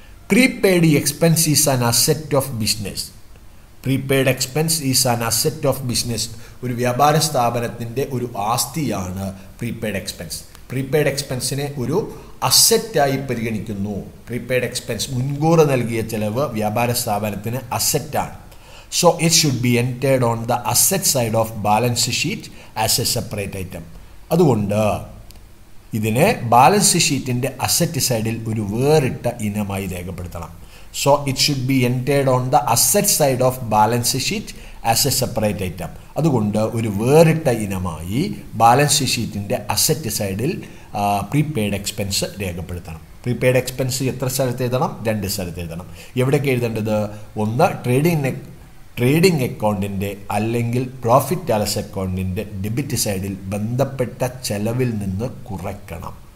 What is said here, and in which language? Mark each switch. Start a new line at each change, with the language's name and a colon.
English: Prepaid expense is an asset of business. Prepaid expense is an asset of business.
Malayalam: ഒരു വ്യാപാര സ്ഥാപനത്തിൻ്റെ ഒരു ആസ്തിയാണ് prepaid expense. Prepaid എക്സ്പെൻസിനെ ഒരു അസെറ്റായി പരിഗണിക്കുന്നു. പ്രീപെയ്ഡ് എക്സ്പെൻസ് മുൻകൂർ നൽകിയ ചെലവ് വ്യാപാര സ്ഥാപനത്തിന് അസെറ്റാണ്.
English: So it should be entered on the asset side of balance sheet as a separate item.
Malayalam: അതുകൊണ്ട് ഇതിനെ ബാലൻസ് ഷീറ്റിൻ്റെ അസെറ്റ് സൈഡിൽ ഒരു വേറിട്ട ഇനമായി രേഖപ്പെടുത്തണം.
English: So it should be entered on the asset side of balance sheet as a separate item.
Malayalam: അതുകൊണ്ട് ഒരു വേറിട്ട ഇനമായി ബാലൻസ് ഷീറ്റിൻ്റെ അസെറ്റ് സൈഡിൽ പ്രീപെയ്ഡ് എക്സ്പെൻസ് രേഖപ്പെടുത്തണം. പ്രീപെയ്ഡ് എക്സ്പെൻസ് എത്ര സ്ഥലത്ത് എഴുതണം? രണ്ട് സ്ഥലത്ത് എഴുതണം. എവിടേക്ക് എഴുതേണ്ടത്? ഒന്ന്, ട്രേഡിംഗ് അക്കൗണ്ടിൻ്റെ അല്ലെങ്കിൽ പ്രോഫിറ്റ് ടാലസ് അക്കൗണ്ടിൻ്റെ ഡെബിറ്റ് സൈഡിൽ ബന്ധപ്പെട്ട ചെലവിൽ നിന്ന് കുറയ്ക്കണം.